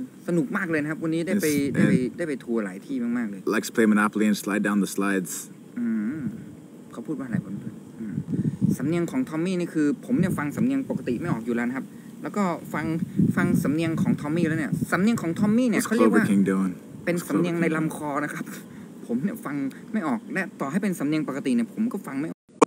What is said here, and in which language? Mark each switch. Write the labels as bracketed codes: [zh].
[th] สนุกมากเลยนะครับวันนี้ได้ไปทัวร์หลายที่มากๆเลย [en] Likes to play Monopoly and slide down the slides. [th] เขาพูดว่าอะไรบ้างสำเนียงของทอมมี่นี่คือผมเนี่ยฟังสำเนียงปกติไม่ออกอยู่แล้วครับแล้วก็ฟังสำเนียงของทอมมี่แล้วเนี่ยสำเนียงของทอมมี่เนี่ยเขาเรียกว่าเป็นสำเนียงในลำคอนะครับผมเนี่ยฟังไม่ออกและต่อให้เป็นสำเนียงปกติเนี่ยผมก็ฟังไม่ออก